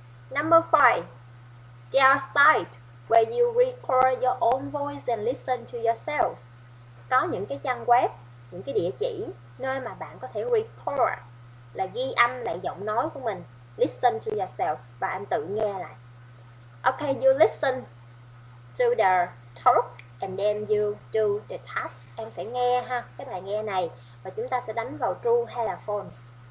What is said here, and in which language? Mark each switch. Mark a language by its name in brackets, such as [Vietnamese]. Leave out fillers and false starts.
[English] Number 5, there are sites where you record your own voice and listen to yourself. [Vietnamese] Có những cái trang web, những cái địa chỉ nơi mà bạn có thể record, là ghi âm lại giọng nói của mình, [English] listen to yourself, [Vietnamese] và anh tự nghe lại. [English] Ok, you listen to the talk and then you do the task. [Vietnamese] Em sẽ nghe ha, cái bài nghe này, và chúng ta sẽ đánh vào true hay là false.